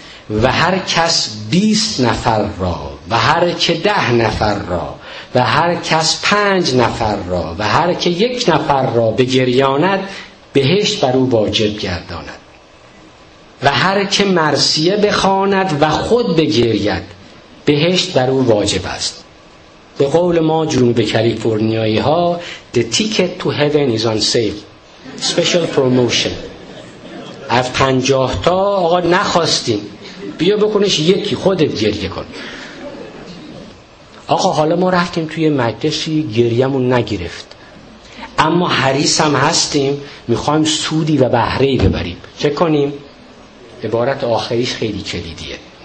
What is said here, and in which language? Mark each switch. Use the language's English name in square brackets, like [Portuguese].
[Persian] و هر کس 20 نفر را و هر که 10 نفر را و هر کس 5 نفر را و هر که 1 نفر را بگریاند بهشت بر او واجب گرداند و هر که مرثیه بخواند و خود بگرید بهشت بر او واجب است. به قول ما جنوب کالیفرنیایی ها [English] The ticket to heaven is on sale. Special promotion. [Persian] از 50 تا آقا نخواستیم، بیا بکنش یکی، خودت گریه کن. آقا حالا ما رفتیم توی مجلسی گریه‌مون نگرفت، اما حریص هم هستیم، میخوایم سودی و بهره‌ای ببریم، چه کنیم؟ عبارت آخریش خیلی کلیدیه.